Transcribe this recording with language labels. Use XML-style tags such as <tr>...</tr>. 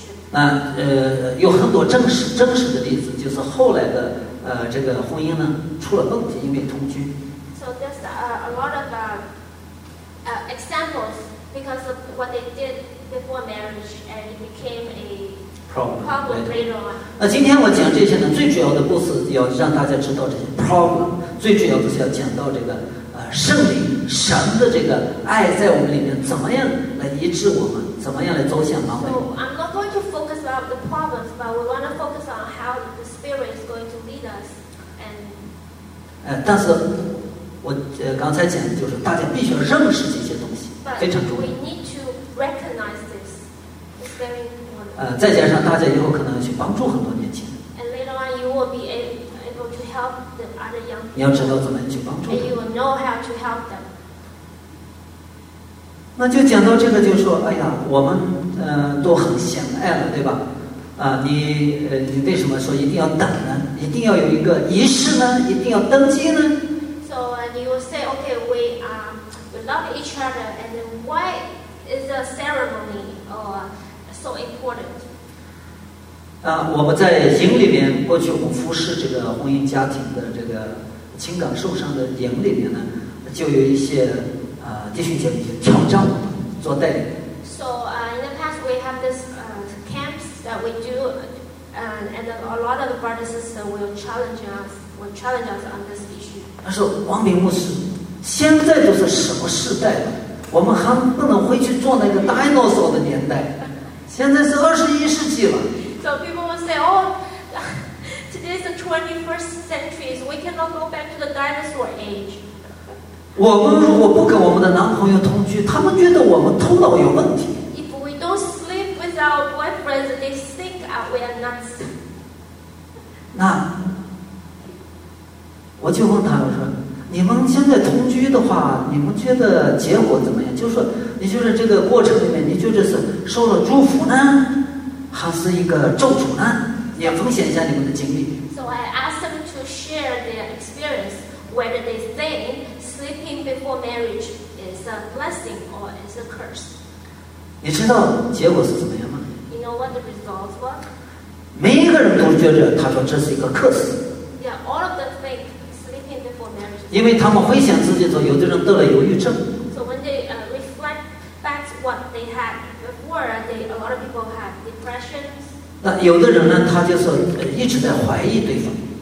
<zh>那有很多真实的例子，就是后来的这个婚姻呢出了问题，因为同居。</zh> <en>So there's a lot of examples because of what they did before marriage and it became a. Problem.</en> <zh>那今天我讲这些呢，最主要的不是要让大家知道这些 problem， 最主要的是要讲到这个圣灵神的这个爱在我们里面怎么样来医治我们，怎么样来走向完美。</zh> <en>So, I'm not going to focus about the problems, but we want to focus on how the Spirit is going to lead us. And</en> <zh>但是我刚才讲的就是大家必须要认识这些东西，</zh> <en>but、</en> <zh>非常重要。</zh> <en>We need to recognize this. It's very important.</en> <zh>再加上大家以后可能要去帮助很多年轻人。</zh> <en>And later on, you will be able to help the other young people.</en> <zh>你要知道怎么去帮助他们。</zh> <en>And you will know how to help them.</en> <zh>那就讲到这个，就说，哎呀，我们都很相爱了，对吧？你为什么说一定要等呢？一定要有一个仪式呢？一定要登记呢</zh> <en>？So you will say, okay, we love each other, and why is a ceremony so important.</en> <zh>我们在营里面，过去我们服侍这个婚姻家庭的这个情感受伤的营里面呢，就有一些弟兄姐妹挑战我们做带领。</zh> <en>So in the past we have this camps that we do, and a lot of the brothers and sisters will challenge us on this issue.</en> <zh>他说：“王明牧师，现在都是什么时代了？我们还不能回去做那个 dinosaur 的年代。” 现在是</zh> <en>21st century. So people will say, "Oh, today is the 21st century. We cannot go back to the dinosaur age."</en> <zh>我们如果不跟我们的男朋友同居，他们觉得我们头脑有问题。</zh> <en>If we don't sleep with our boyfriends, they think we are nuts.</en> <zh>那我就问他，我说。你们现在同居的话，你们觉得结果怎么样？就是说，你就是这个过程里面，你觉得是受了祝福呢，还是一个咒诅呢？你要分享一下你们的经历。</zh> <en>So I asked them to share their experience, whether they think sleeping before marriage is a blessing or is a curse.</en> <zh>你知道结果是怎么样吗？</zh> <en>You know what the results were?</en> <zh>每一个人都觉得他说这是一个 curse.</zh> <en>Yeah, all of them think sleeping before marriage.</en> <zh>因为他们回想自己说有的人得了忧郁症。</zh> <en>So when they reflect back what they had before, a lot of people had depression.</en> <zh>那有的人呢他就说一直在怀疑对方。</zh>